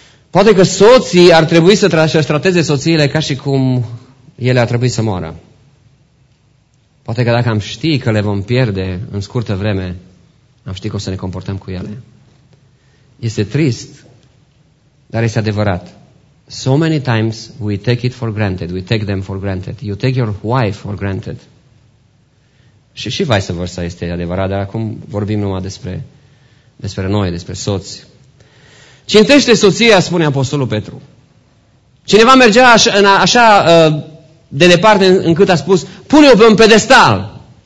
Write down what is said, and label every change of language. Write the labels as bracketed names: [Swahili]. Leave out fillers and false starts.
[Romanian] Poate că soții ar trebui să-și trateze soțiile ca și cum ele ar trebui să moară. Poate că dacă am ști că le vom pierde în scurtă vreme, am ști cum să ne comportăm cu ele. Este trist, dar este adevărat. [English] So many times we take it for granted, we take them for granted. You take your wife for granted. [Romanian] Și vice versa este adevărat, dar acum vorbim numai despre noi, despre soți. Cintește soția, spune apostolul Petru. Cineva mergea așa de departe încât a spus, pune-o pe un pedestal.